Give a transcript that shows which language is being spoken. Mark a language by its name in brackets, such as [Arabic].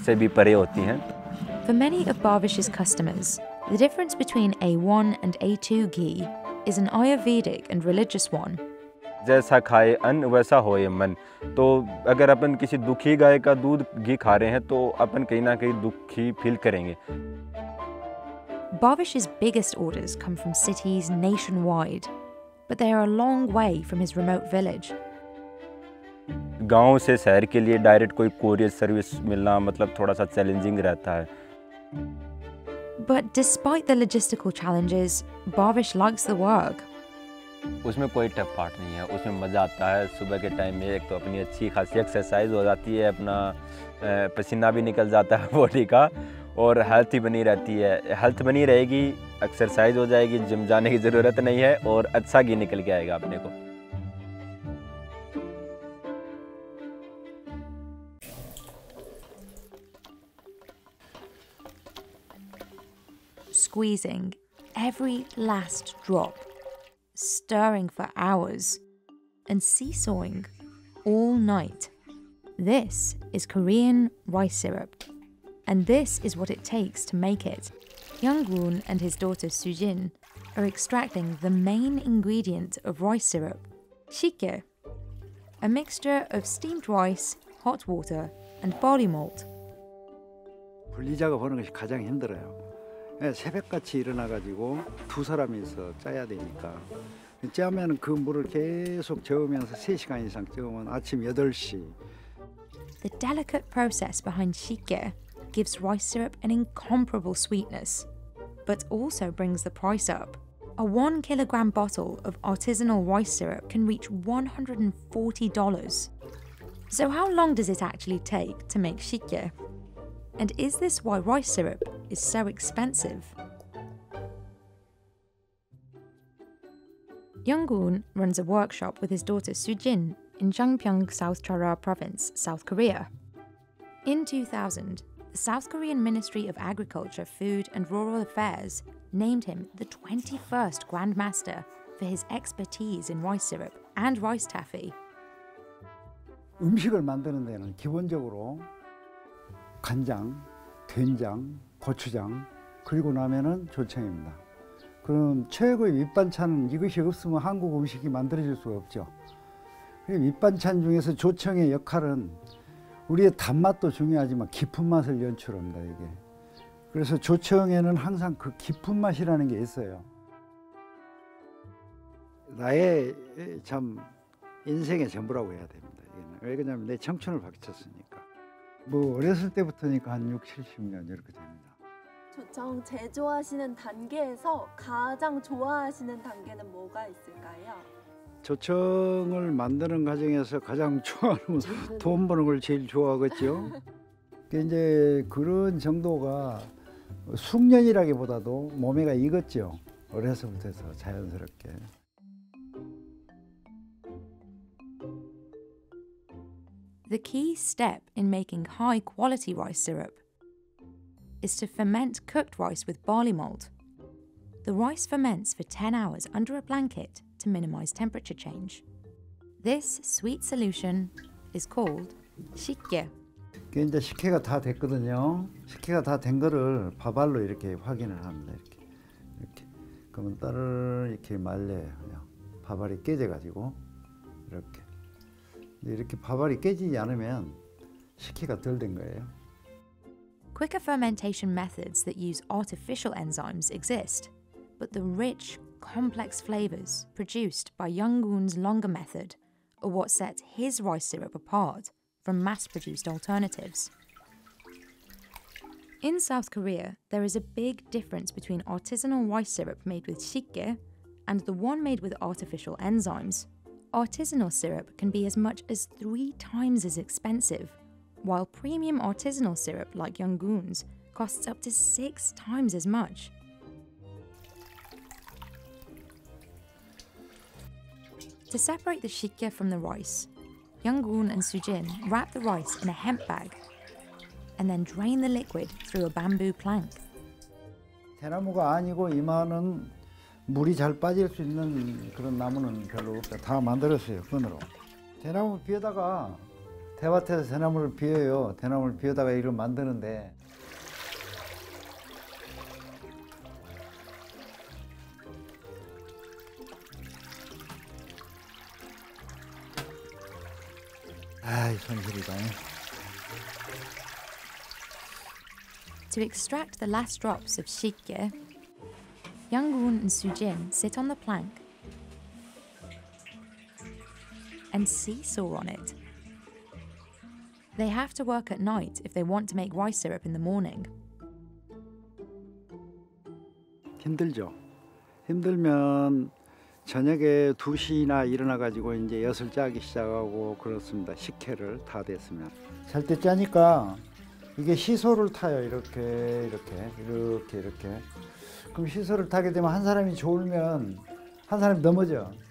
[English] For many of Bhavish's customers, the difference between A1 and A2 ghee is an Ayurvedic and religious one. [Hindi] जैसा खाए अन्न वैसा होए मन। तो अगर अपन किसी दुखी गाय का दूध घी खा रहे हैं, तो अपन कहीं ना कहीं दुखी फील करेंगे। [English] Bhavish's biggest orders come from cities nationwide, but they are a long way from his remote village. [Hindi] गांव से शहर के लिए डायरेक्ट कोई कोरियर सर्विस मिलना मतलब थोड़ा सा चैलेंजिंग रहता है। [English] But despite the logistical challenges, Bhavish likes the work. [Hindi] उसमें कोई tough part नहीं है, उसमें मजा आता है। सुबह के time में एक तो अपनी अच्छी खासी exercise हो जाती है, अपना पसीना भी निकल जाता है body का, और healthy बनी रहती है। Health बनी रहेगी, exercise हो जाएगी, gym जाने की जरूरत नहीं है, और अच्छा घी निकल के आएगा अपने को। [English] Squeezing every last drop, stirring for hours, and seesawing all night. This is Korean rice syrup, and this is what it takes to make it. Young-woon and his daughter Soo-jin are extracting the main ingredient of rice syrup, sikkye, a mixture of steamed rice, hot water, and barley malt. [Korean] 분리작업 하는 것이 가장 힘들어요. 새벽같이 일어나가지고 두 사람이서 짜야 되니까 짜면 그 물을 계속 저으면서 3시간 이상 저으면 아침 8시 [English] The delicate process behind sikkye gives rice syrup an incomparable sweetness but also brings the price up. A 1 kilogram bottle of artisanal rice syrup can reach $140. So how long does it actually take to make sikkye? And is this why rice syrup is so expensive? Young-woon runs a workshop with his daughter Soo-jin in Jangpyeong, South Chara Province, South Korea. In 2000, the South Korean Ministry of Agriculture, Food and Rural Affairs named him the 21st Grand Master for his expertise in rice syrup and rice taffy. [Korean] 음식을 만드는 데는 기본적으로 간장, 된장, 고추장, 그리고 나면은 조청입니다. 그럼 최고의 윗반찬은 이것이 없으면 한국 음식이 만들어질 수가 없죠. 윗반찬 중에서 조청의 역할은 우리의 단맛도 중요하지만 깊은 맛을 연출합니다, 이게. 그래서 조청에는 항상 그 깊은 맛이라는 게 있어요. 나의 참 인생의 전부라고 해야 됩니다. 왜 그러냐면 내 청춘을 바쳤으니까. 뭐 어렸을 때부터니까 한 60, 70년 이렇게 됩니다. 조청 제조하시는 단계에서 가장 좋아하시는 단계는 뭐가 있을까요? 조청을 만드는 과정에서 가장 좋아하는 돈 버는 걸 제일 좋아하겠죠. 이제 그런 정도가 숙련이라기보다도 몸에가 익었죠. 어렸을 때부터 자연스럽게. [English] The key step in making high-quality rice syrup is to ferment cooked rice with barley malt. The rice ferments for 10 hours under a blanket to minimize temperature change. This sweet solution is called sikkye. [Korean] 이게 이제 식혜가 다 됐거든요. 식혜가 다 된 거를 밥알로 이렇게 확인을 합니다. 이렇게. 이렇게. 그러면 따를 이렇게 말려요. 밥알이 깨져가지고. 이렇게. 이렇게 밥알이 깨지지 않으면 식혜가 덜 된 거예요. [English] Quicker fermentation methods that use artificial enzymes exist, but the rich, complex flavors produced by Yungun's longer method are what set his rice syrup apart from mass-produced alternatives. In South Korea, there is a big difference between artisanal rice syrup made with sikkye and the one made with artificial enzymes. Artisanal syrup can be as much as 3 times as expensive, while premium artisanal syrup like Yungun's costs up to 6 times as much. To separate the sikkye from the rice, Yungun and Sujin wrap the rice in a hemp bag and then drain the liquid through a bamboo plank. [Korean] 대나무가 아니고 이만한 물이 잘 빠질 수 있는 그런 나무는 별로 없어요. 다 만들었어요, 끈으로. 대나무 비에다가 대밭에서 대나무를 비어요. 대나무를 비어다가 이를 만드는데 아이, 손실이다. [English] To extract the last drops of sikkye, Yungun and Sujin sit on the plank and seesaw on it. They have to work at night if they want to make rice syrup in the morning. [Korean] 힘들죠. 힘들면 저녁에 2시나 일어나가지고 이제 엿을 짜기 시작하고 그렇습니다. 식혜를 다 됐으면. 절대 짜니까 이게 시소를 타요. 이렇게, 이렇게, 이렇게, 이렇게. 그럼 시소를 타게 되면 한 사람이 졸면 한 사람이 넘어져.